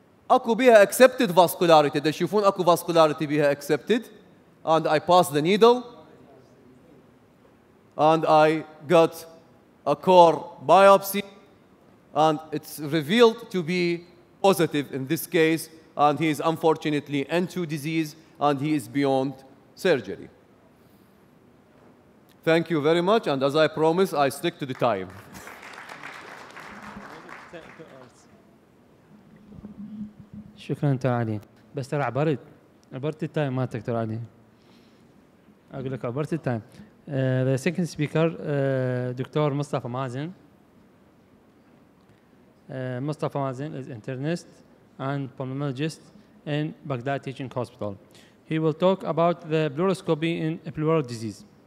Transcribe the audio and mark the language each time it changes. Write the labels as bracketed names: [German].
[Arabic] اكو بيها accepted vascularity. تشوفون اكو vascularity بيها accepted. [English] And I pass the needle. And I got a core biopsy. And it's revealed to be positive in this case. And he is unfortunately N2 disease. And he is beyond surgery. Thank you very much. And as I promise, I stick to the time. [Arabic] شكرا دكتور علي. بس ترى عبرت التايم ما دكتور علي. أقول لك عبرت التايم. [English] The second speaker, doctor Mustafa Mazin. Mustafa Mazin is internist and pulmonologist in Baghdad Teaching Hospital. He will talk about the pleuroscopy in a pleural disease.